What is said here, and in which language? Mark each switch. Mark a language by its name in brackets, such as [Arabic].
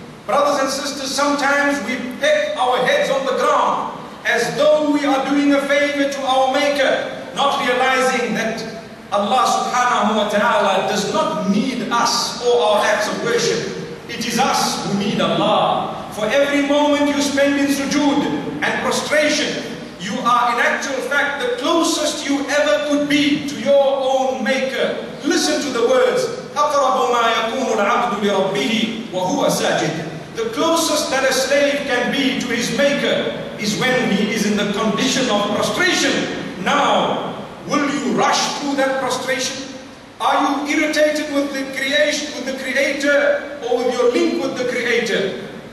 [English] Brothers and sisters, sometimes we peck our heads on the ground as though we are doing a favor to our Maker, not realizing that Allah subhanahu wa ta'ala does not need us or our acts of worship. It is us who need Allah. For every moment you spend in sujood and prostration, you are in actual fact the closest you ever could be to your own Maker. [Arabic] Listen to the words, أَقْرَبُ مَا يَكُونُ الْعَبْدُ لِرَبِّهِ وَهُوَ سَاجِدٌ. [English] The closest that a slave can be to his Maker is when he is in the condition of prostration. Now, will you rush through that prostration? Are you irritated with the creation, with the Creator, or with your link with the Creator?